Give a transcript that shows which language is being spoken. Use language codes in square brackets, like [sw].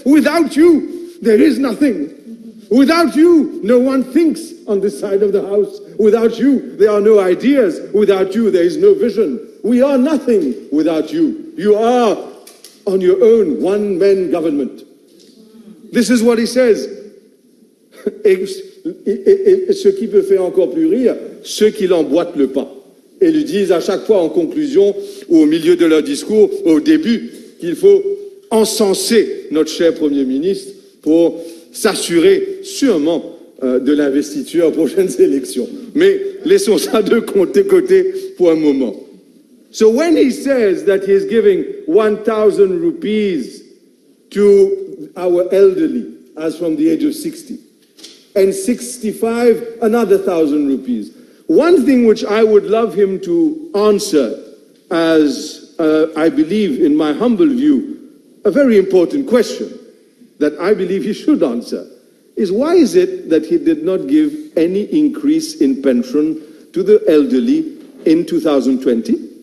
[en] Without you, there is nothing. Without you, no one thinks on this side of the house. Without you, there are no ideas. Without you, there is no vision. We are nothing without you. You are on your own one-man government. This is what he says. [fr] Et ce qui peut faire encore plus rire, ceux qui l'emboîtent le pas. Et lui disent à chaque fois en conclusion ou au milieu de leur discours, au début, qu'il faut encenser notre cher Premier ministre pour s'assurer sûrement de l'investiture aux prochaines élections. Mais laissons ça de côté pour un moment. [en] So when he says that he is giving 1,000 rupees to our elderly as from the age of 60, and 65, another 1,000 rupees. One thing which I would love him to answer, as I believe in my humble view, a very important question that I believe he should answer, is why is it that he did not give any increase in pension to the elderly in 2020?